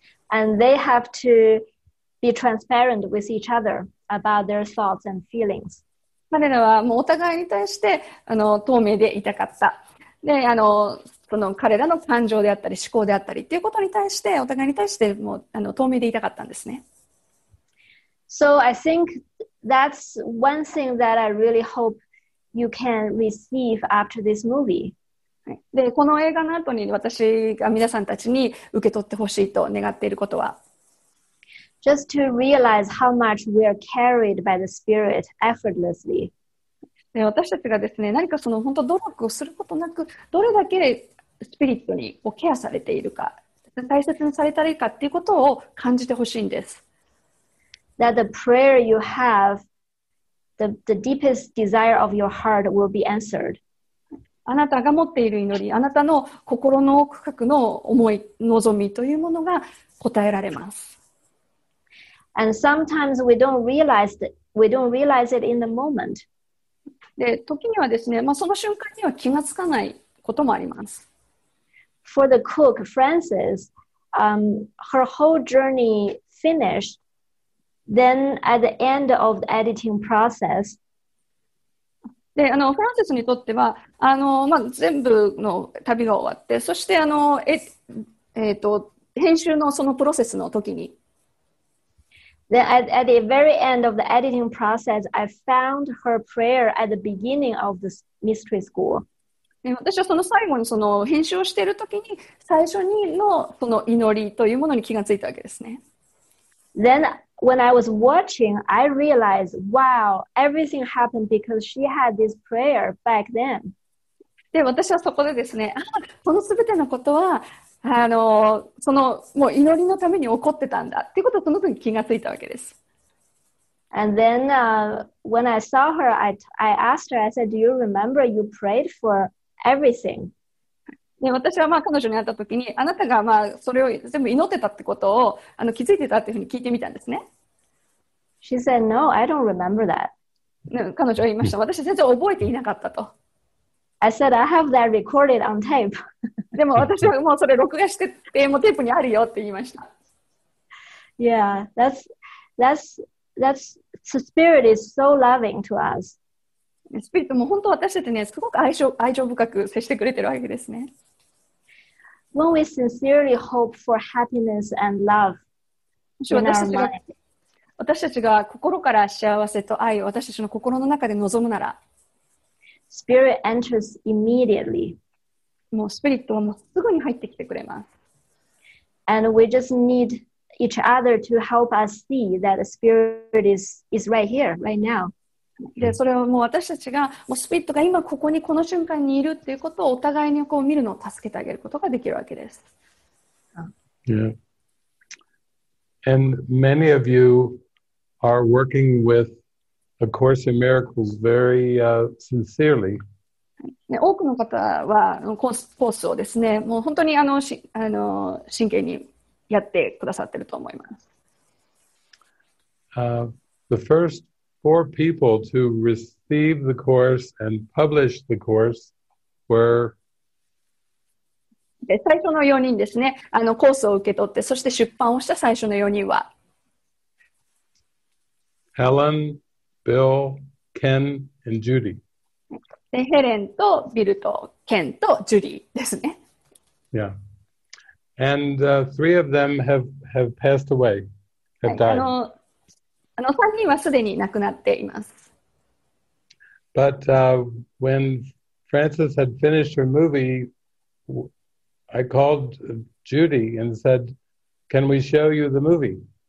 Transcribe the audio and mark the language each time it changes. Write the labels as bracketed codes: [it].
[en] And they have to be transparent with each other about their thoughts and feelings. [ja] 彼らはもうお互いに対して透明でいたかった。で、その彼らの感情であったり思考であったりっていうことに対してお互いに対してもう透明でいたかったんですね。 [en] So I think that's one thing that I really hope you can receive after this movie. [ja] で、この映画の後に私が皆さんたちに受け取ってほしいと願っていることは、 [en] just to realize how much we are carried by the spirit effortlessly. [ja] 私たちがですね、何かその本当努力をすることなく、どれだけスピリットにケアされているか、大切にされているかっていうことを感じてほしいんです。 [en] That the prayer you have, the deepest desire of your heart will be answered. [ja] あなたが持っている祈り、あなたの心の奥深くの思い、望みというものが答えられます。 [en] And sometimes we don't realize it in the moment. [ja] で、時にはですね、まあその瞬間には気がつかないこともあります。 [en] For the cook, Frances, her whole journey finished. Then at the end of the editing process. [ja] で、フランセスにとっては、まあ全部の旅が終わって、そして編集のそのプロセスの時に、 [en] Then at the very end of the editing process, I found her prayer at the beginning of the mystery school. [ja] 私はその最後にその編集をしている時に最初にのその祈りというものに気がついたわけですね。 [en] Then when I was watching, I realized, wow, everything happened because she had this prayer back then. [ja] で、私はそこでですね、その全てのことはそのもう祈りのために起こってたんだっていうことをその時に気がついたわけです。 [en] And then, when I saw her, I asked her, I said, do you remember you prayed for everything? [ja] 私はまあ彼女に会った時に、あなたがまあそれを全部祈ってたってことを気づいてたっていうふうに聞いてみたんですね。 [en] She said, no, I don't remember that. [ja] 彼女は言いました。私全然覚えていなかったと。 [en] I said, I have that recorded on tape. [ja] でも私はもうそれ録画してて、もうテープにあるよって言いました。 [en] Yeah, the spirit is so loving to us. [ja] スピリットも本当私たちね、すごく愛情深く接してくれてるわけですね。 [en] When we sincerely hope for happiness and love in our mind. [ja] 私たちが心から幸せと愛を私たちの心の中で望むなら、 [en] Spirit enters immediately. [ja] もうスピリットはもうすぐに入ってきてくれます。 [en] And we just need each other to help us see that the Spirit is right here, right now. [ja] で、それはもう私たちが、もうスピリットが今ここにこの瞬間にいるっていうことをお互いにこう見るのを助けてあげることができるわけです。 [en] Yeah. And many of you are working with A Course in Miracles very sincerely. [ja] 多くの方はコースをですね、もう本当にあの真剣にやってくださってると思います。 [en] The first four people to receive the course and publish the course were [ja] で最初の4人ですね、あのコースを受け取って、そして出版をした最初の4人は [en] Helen, Bill, Ken, and Judy. [ja] で、ヘレンとビルとケンとジュリーですね。 Yeah. [en] And three of them have passed away, have died. [ja] あの3人はすでに亡くなっています。 [en] But when Frances had finished her movie,I called Judy and said, "Can we show you the movie?"